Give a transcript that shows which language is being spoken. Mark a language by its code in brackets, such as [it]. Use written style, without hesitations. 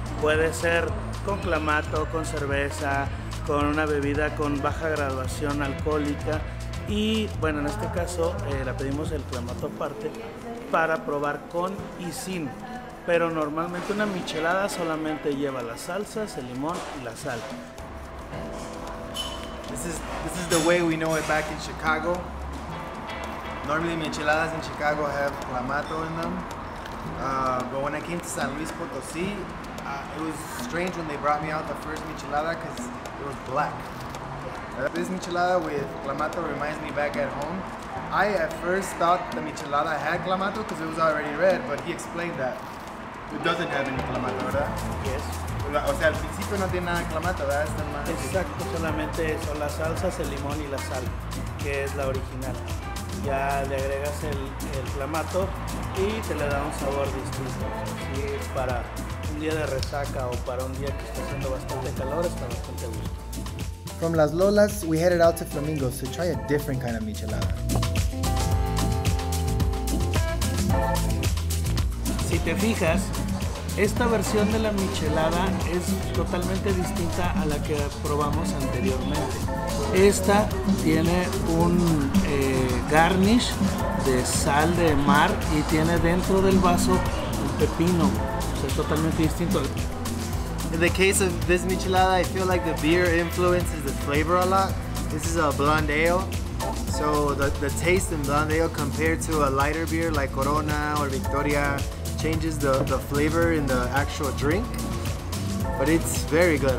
[es] Puede ser con clamato, con cerveza, con una bebida con baja graduación alcohólica. Y bueno, en este caso la pedimos el clamato aparte para probar con y sin. Pero normalmente una michelada solamente lleva las salsas, el limón y la sal. [en] This is the way we know it back in Chicago. Normally, micheladas in Chicago have clamato in them. But when I came to San Luis Potosí, it was strange when they brought me out the first michelada because it was black. This michelada with clamato reminds me back at home. I at first thought the michelada had clamato because it was already red, but he explained that it doesn't have any clamato, [es] ¿verdad? [en] Yes. [es] O sea, al principio no tiene nada de clamato, ¿verdad? Es más. Exacto, solamente son las salsas, el limón y la sal, que es la original. Ya le agregas el clamato y te le da un sabor distinto. Así es para un día de resaca o para un día que está haciendo bastante calor, está bastante gusto. [en] From Las Lolas, we headed out to Flamingos to try a different kind of michelada. [es] te fijas, esta versión de la michelada es totalmente distinta a la que probamos anteriormente. Esta tiene un garnish de sal de mar y tiene dentro del vaso un pepino. O sea, es totalmente distinto. [en] In the case of this michelada, I feel like the beer influences the flavor a lot. This is a blonde ale, so the taste in blonde ale compared to a lighter beer like Corona or Victoria changes the flavor in the actual drink, but it's very good.